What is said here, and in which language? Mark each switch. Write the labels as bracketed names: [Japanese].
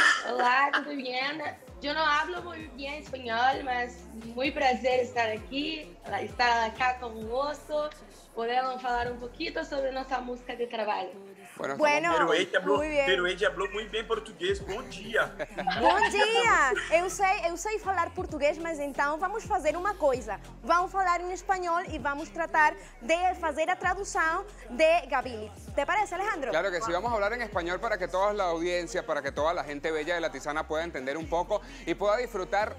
[Spanish] Hola, ¿todo bien? Yo no hablo muy bien español, pero es muy placer estar aquí, estar acá con vos, poder hablar un poquito sobre nuestra música de trabajo. Bueno, pero ella habló muy bien portugués. [Portuguese] Bom dia. Bom dia. Eu sei falar português, mas então vamos fazer uma coisa. Vamos falar em espanhol e vamos tratar de fazer a tradução de Gaby Lee. [Spanish] ¿Te parece, Alejandro? Claro que sí, vamos a hablar en español para que toda la audiencia, para que toda la gente bella de La Tisana pueda entender un poco y pueda disfrutar.